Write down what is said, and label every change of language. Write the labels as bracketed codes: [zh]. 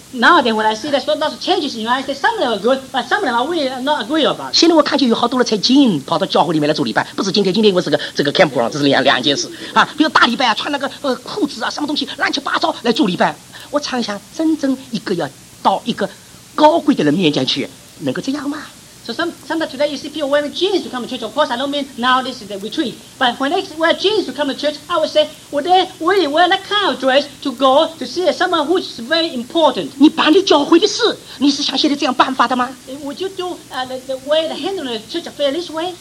[en] Nowadays when I see there's lots of changes in the United States, some of them are good, but some of them I really not agree about. [zh] 现在我看见有好多人才进跑到教会里面来做礼拜，不是今天今天我是个 campground， 这是两件事啊。比如大礼拜啊，穿那个裤子啊，什么东西乱七八糟来做礼拜。我常想，真正一个要到一个高贵的人面前去，能够这样吗？ [en] So sometimes today you see people wearing jeans to come to church. Of course, I don't mean now this is the retreat. But when they wear jeans to come to church, I would say, would they really wear that kind of dress to go to see someone who is very important? [zh] 你办理教会的事，你是想现在这样办法的吗？ [en] Would you do the way the handling of the church affair this way?